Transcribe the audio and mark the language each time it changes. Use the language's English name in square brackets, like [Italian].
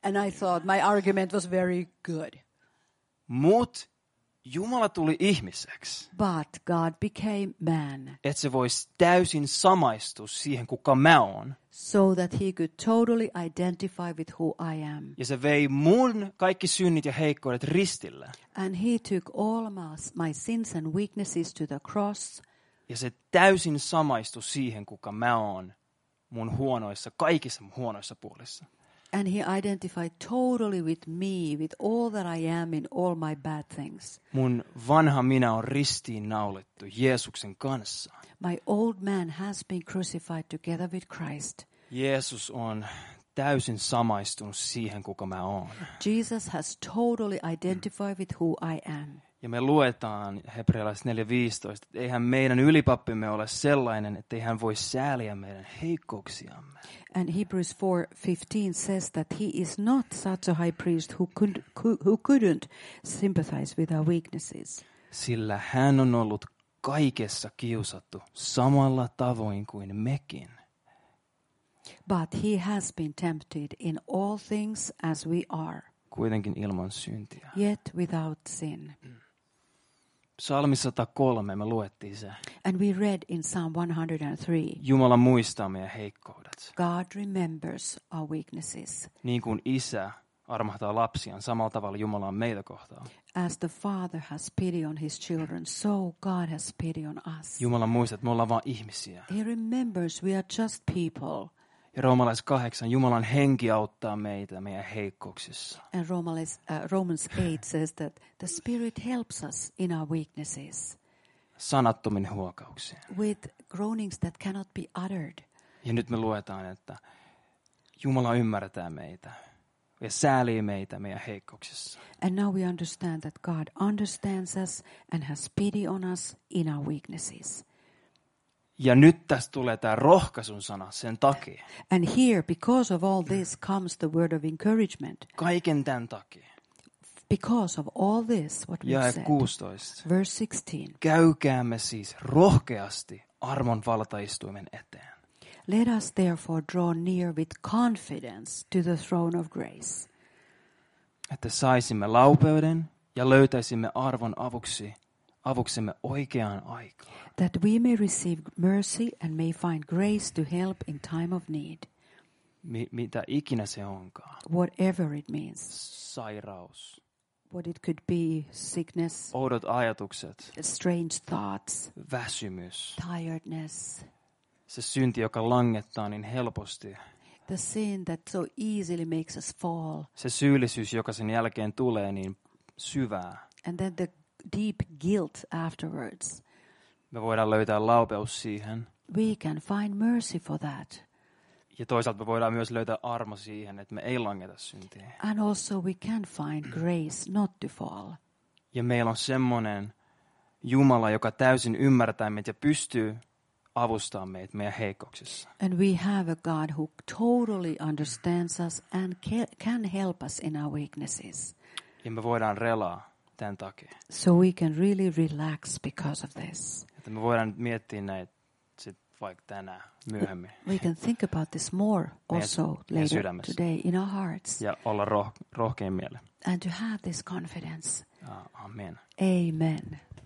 [English] And I thought my argument was very good. [Finnish] Mut Jumala tuli ihmiseksi. [English] But God became man. [Finnish] Et se voisi täysin samaistua siihen, kuka mä oon. [English] So that he could totally identify with who I am. [Finnish] Ja se vei mun kaikki synnit ja heikkoudet ristille. [English] And he took all my sins and weaknesses to the cross. [Finnish] Ja se täysin samaistui siihen, kuka mä oon mun huonoissa, kaikissa mun huonoissa puolissa. [English] And he identified totally with me, with all that I am in all my bad things. [Finnish] Mun vanha minä on ristiin naulittu Jeesuksen kanssa. [English] My old man has been crucified together with Christ. [Finnish] Jeesus on täysin samaistunut siihen, kuka mä oon. [English] Jesus has totally identified with who I am. [Finnish] Ja me luetaan Hebrealais 4:15, että eihän meidän ylipappimme ole sellainen, että ei hän voi sääliä meidän heikkouksiamme. [English] And Hebrews 4:15 says that he is not such a high priest who couldn't sympathize with our weaknesses. [Finnish] Sillä hän on ollut kaikessa kiusattu samalla tavoin kuin mekin. [English] But he has been tempted in all things as we are. [Finnish] Kuitenkin ilman syntiä. [English] Yet without sin. [Finnish] Psalmi 103, me luettiin se. [English] And we read in Psalm 103. [Finnish] Jumala muistaa meidän heikkoudet. [English] God remembers our weaknesses. [Finnish] Niin kuin isä armahtaa lapsiaan, samalla tavalla Jumala on meitä kohtaan. [English] As the father has pity on his children, so God has pity on us. [Finnish] Jumala muistaa, että me ollaan vaan ihmisiä. [English] He remembers we are just people. [Finnish] Ja Roomalais 8, Jumalan henki auttaa meitä meidän heikkouksissa. [English] And Romans 8 says that the Spirit helps us in our weaknesses. [Finnish] Sanattomin huokauksiin. [English] With groanings that cannot be uttered. [Finnish] Ja nyt me luetaan, että Jumala ymmärtää meitä ja säälii meitä meidän heikkouksissa. [English] And now we understand that God understands us and has pity on us in our weaknesses. [Finnish] Ja nyt tästä tulee tämä rohkaisun sana sen takia. [English] And here, because of all this, comes the word of encouragement. [Finnish] Kaiken tämän takia. [English] Because of all this, what we said. [Finnish] 16. [English] Verse 16. [Finnish] Käykäämme siis rohkeasti armon valtaistuimen eteen. [English] Let us therefore draw near with confidence to the throne of grace. [Finnish] Että saisimme laupeuden ja löytäisimme arvon avuksi. Avuksemme oikeaan aikaan. [English] That we may receive mercy and may find grace to help in time of need. [Finnish] Mitä ikinä se onkaan. [English] Whatever it means. [Finnish] Sairaus. [English] What it could be, sickness. [Finnish] Oudot ajatukset. [English] Strange thoughts. [Finnish] Väsymys. [English] Tiredness. [Finnish] Se synti, joka langettaa niin helposti. [English] The sin that so easily makes us fall. [Finnish] Se syyllisyys, joka sen jälkeen tulee niin syvää. [English] And then the deep guilt afterwards. [Finnish] Me voidaan löytää laupeus siihen. [English] We can find mercy for that. [Finnish] Ja toisaalta me voidaan myös löytää armo siihen, että me ei langeta syntiä. [English] And also we can find grace not to fall. [Finnish] Ja meillä on semmoinen Jumala, joka täysin ymmärtää meitä ja pystyy avustamaan meitä meidän heikkouksissa. [English] And we have a God who totally understands us and can help us in our weaknesses. [Finnish] Ja me voidaan relaa. Tän takia. [English] So we can really relax because of this. [Finnish] Että me voidaan miettiä näitä sit vaikka tänään myöhemmin. [English] We can think about this more also later today in our hearts. [Finnish] Ja olla rohkein mielen. [English] And to have this confidence. [Finnish] Amen. [English] Amen.